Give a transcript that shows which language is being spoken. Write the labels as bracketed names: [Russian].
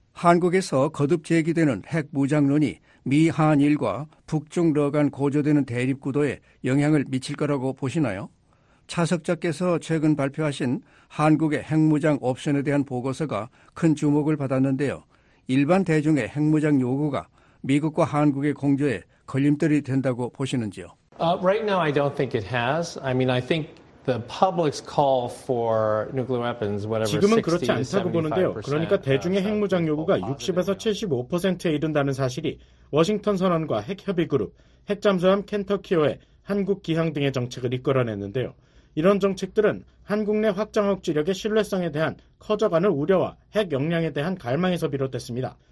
[Korean] 한국에서 거듭 제기되는 핵 무장론이 미한일과 북중러 간 고조되는 대립 구도에 영향을 미칠 거라고 보시나요? 차석자께서 최근 발표하신 한국의 핵 무장 옵션에 대한 보고서가 큰 주목을 받았는데요. 일반 대중의 핵 무장 요구가 미국과 한국의 공조에 걸림돌이 된다고 보시는지요? [English] Right now I don't think it has. I mean, I think the public's call for nuclear weapons, whatever. [Korean] 지금은 그렇지 않다고 보는데요. 그러니까 대중의 핵무장 요구가 60에서 75%에 이른다는 사실이 워싱턴 선언과 핵협의 그룹, 핵잠수함 켄터키오의 한국 기항 등의 정책을 이끌어냈는데요. 이런 정책들은 한국 내 확장 억지력의 신뢰성에 대한 커져가는 우려와 핵 역량에 대한 갈망에서 비롯됐습니다.